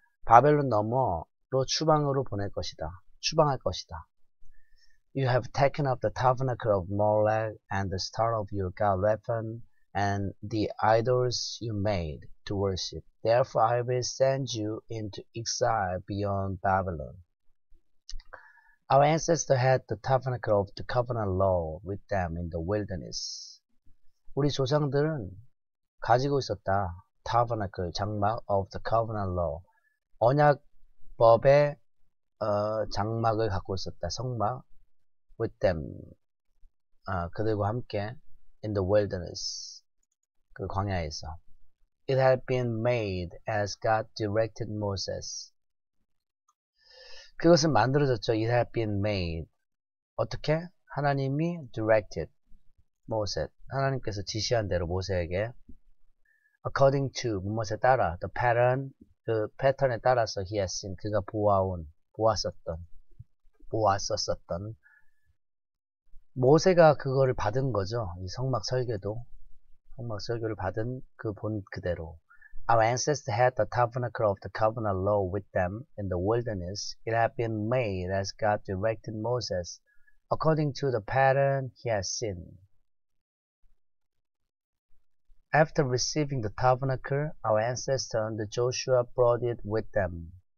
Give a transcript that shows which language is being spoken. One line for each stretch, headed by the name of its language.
Korean: 바벨론 넘어로 추방으로 보낼 것이다. 추방할 것이다.
English: You have taken up the tabernacle of Molech and the star of your god Lephan and the idols you made to worship. Therefore I will send you into exile beyond Babylon. Our ancestors had the tabernacle of the covenant law with them in the wilderness.
Korean: 우리 조상들은 가지고 있었다.
English: Tabernacle,
Korean: 장막
English: of the covenant law.
Korean: 언약법의 장막을 갖고 있었다. 성막.
English: With them,
Korean: 그들과 함께
English: in the wilderness,
Korean: 그 광야에서.
English: It had been made as God directed Moses.
Korean: 그것은 만들어졌죠.
English: It had been made.
Korean: 어떻게? 하나님이
English: directed Moses.
Korean: 하나님께서 지시한 대로 모세에게.
English: According to,
Korean: 모세 따라,
English: the pattern,
Korean: 그 패턴에 따라서
English: he has seen,
Korean: 그가 보았었었던. 모세가 그거를 받은 거죠. 이 성막 설계도. 성막 설교를 받은 그 본 그대로.
English: Our ancestors had the tabernacle of the covenant law with them in the wilderness. It had been made as God directed Moses according to the pattern he had seen. After receiving the tabernacle, our ancestor under Joshua brought it with them.